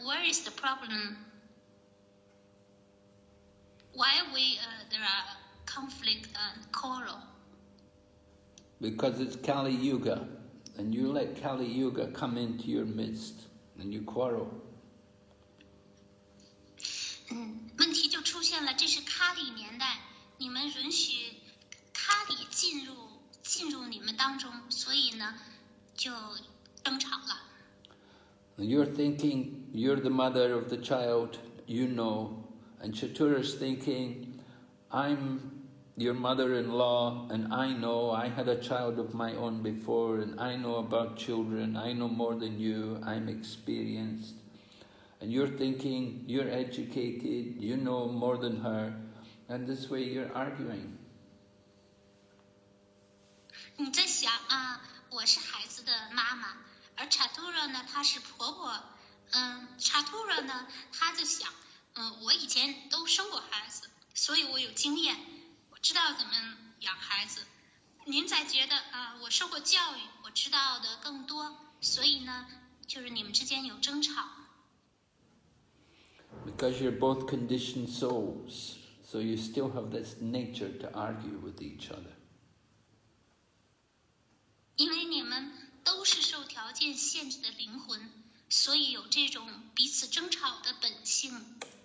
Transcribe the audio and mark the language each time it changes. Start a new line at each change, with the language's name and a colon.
English: Where is the problem? Why we there are conflict and quarrel? Because it's Kali Yuga, and you let Kali Yuga come into your midst, and you quarrel.
Chinese: 问题就出现了，这是卡里年代，你们允许卡里进入你们当中，所以呢，就争吵了。
English: You're thinking you're the mother of the child, you know, and Chatura's thinking, I'm. Your mother-in-law, and I know I had a child of my own before, and I know about children, I know more than you, I'm experienced. And you're thinking, you're educated, you know more than her, and this way you're arguing.
Chinese: 你在想啊，我是孩子的妈妈，而 Chatura 呢，她是婆婆。 Chatura 呢，她就想，我以前都生过孩子，所以我有经验。知道怎么养孩子，您在觉得啊，我受过教育，我知道的更多，所以呢，就是你们之间有争吵。
English: Because you're both conditioned souls, so you still have this nature to argue with each other.
Chinese: 因为你们都是受条件限制的灵魂，所以有这种彼此争吵的本性。